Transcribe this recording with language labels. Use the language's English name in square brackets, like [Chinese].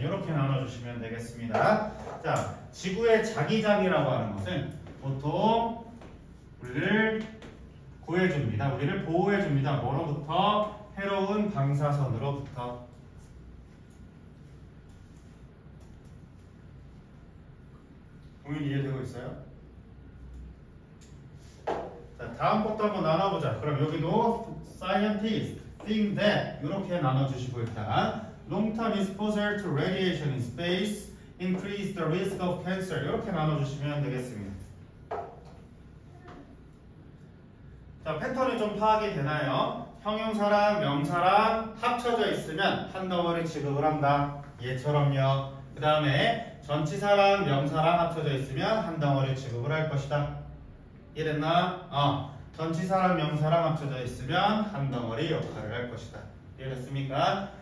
[Korean] 이렇게 나눠주시면 되겠습니다. 자, 지구의 자기장이라고 하는 것은 보통 우리를 구해줍니다. 우리를 보호해줍니다. 뭐로부터? 해로운 방사선으로부터. 공연 이해되고 있어요? 자, 다음 것도 한번 나눠보자. 그럼 여기도 [English] scientist think that [Korean] 이렇게 나눠주시고 일단 [English] long time exposure to radiation in space increase the risk of cancer [Korean] 이렇게 나눠주시면 되겠습니다. 자, 패턴이 좀 파악이 되나요? 형용사랑 명사랑 합쳐져 있으면 한 덩어리 지급을 한다. 예처럼요. 그 다음에 전치사랑 명사랑 합쳐져 있으면 한 덩어리 지급을 할 것이다. 이랬나? 전치사랑 명사랑 합쳐져 있으면 한 덩어리 역할을 할 것이다. 이해됐습니까?